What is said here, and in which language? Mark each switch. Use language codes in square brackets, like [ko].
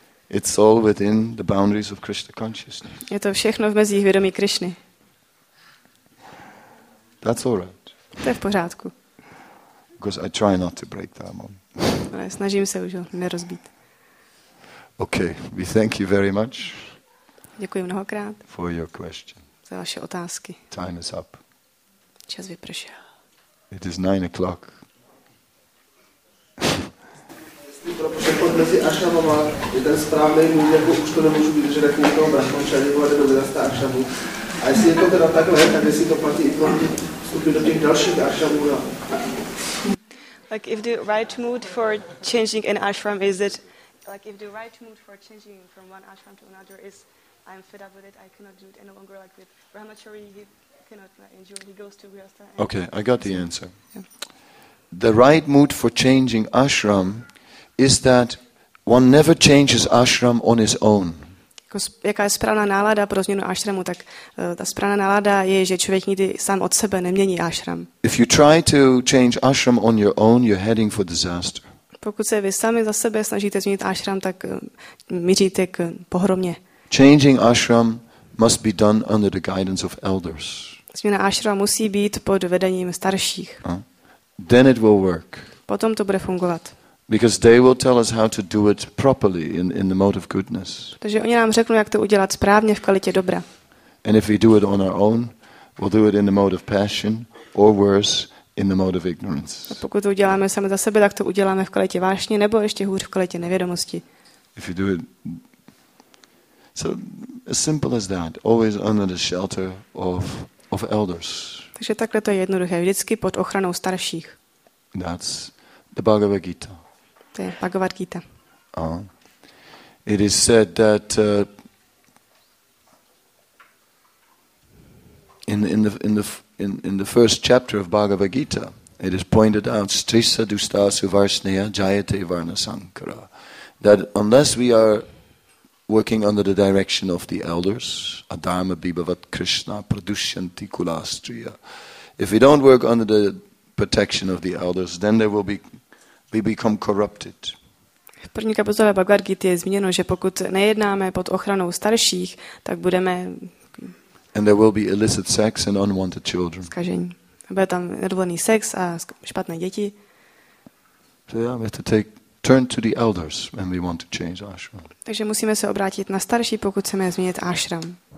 [en] It's all within the boundaries of Krishna consciousness. [cs] Je to všechno v mezích vědomí Krishny. [en] That's all right. [cs] To je v pořádku. [en] Because I try not to break them on. [cs] Ale snažím se už ho nerozbít. [en] Okay, we thank you very much. [cs] Děkuji mnohokrát. [en] For your question. [cs] Za vaše otázky. [en] Time is up. [cs] Čas vypršel. [en] It is 9 o'clock. [cs] Mezi Ašamama je ten správný můj, jako už to nemůžu být, že taky toho brahmančaně vole do vyrasta Ašamu. A jestli je to teda takhle, tak jestli to platí i pro vstupy do těch dalších Ašamů. [en] Like if the right mood for changing an ashram is it, like if the right mood for changing from one ashram to another is I'm fed up with it, I cannot do it any longer, like with Brahmachari, he cannot endure, he goes to Grihastha. Okay, I got the answer. The right mood for changing ashram is that one never changes ashram on his own. [cs] Jaká je správná nálada pro změnu ashramu, tak ta správná nálada je, že člověk nikdy sám od sebe nemění ashram. [en] If you try to change ashram on your own, you're heading for disaster. [cs] Pokud se vy sami za sebe snažíte změnit ashram, tak míříte k pohromě. [en] Changing ashram must be done under the guidance of elders. [cs] Změna ashram musí být pod vedením starších. [en] Then it will work. [cs] Potom to bude fungovat. [en] Because they will tell us how to do it properly in the mode of goodness. [cs] Takže oni nám řeknou, jak to udělat správně v kvalitě dobra. [en] And if we do it on our own, we'll do it in the mode of passion, or worse, in the mode of ignorance. [cs] A pokud to uděláme sami za sebe, tak to uděláme v kvalitě vášně, nebo ještě hůř v kvalitě nevědomosti. [en] If you do it, so as simple as that, always under the shelter of elders. [cs] Takže takhle to je jednoduché, vždycky pod ochranou starších. [en] That's the Bhagavad Gita. [cs] To je Bhagavad Gita. [en] It is said that in the first chapter of Bhagavad Gita, it is pointed out [sa] Strisa Dustasu Varsneya Jayate Varna Sankara, [en] that unless we are working under the direction of the elders, [sa] Adharma Bibhavat Krishna Pradushyanti Kulastriya, [en] if we don't work under the protection of the elders, then there will be we become corrupted. [cs] V první kapitole Bhagavad Gita je zmíněno, že pokud nejednáme pod ochranou starších, tak budeme [en] and there will be illicit sex and unwanted children. [cs] Zkažení. Bude tam nedovolený sex a špatné děti. [en] So yeah, we have to take turn to the elders when we want to change ashram. [cs] Takže musíme se obrátit na starší, pokud chceme změnit ashram.